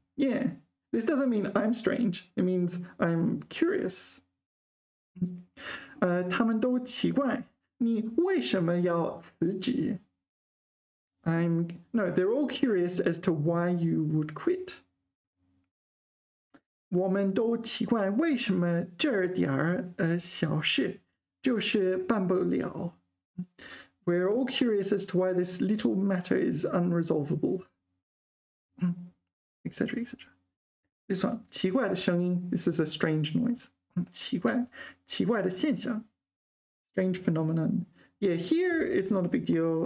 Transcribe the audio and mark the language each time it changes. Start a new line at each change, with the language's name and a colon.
English: Yeah, this doesn't mean I'm strange, it means I'm curious.
Chinese: 他们都奇怪,你为什么要辞职?
English: They're all curious as to why you would quit.
Chinese: 我们都奇怪,为什么这点小事? 就是办不了.
English: We're all curious as to why this little matter is unresolvable, etc. etc. This one,
Chinese: 奇怪的声音,
English: this is a strange noise.
Chinese: 奇怪的现象,
English: strange phenomenon. Yeah, here it's not a big deal.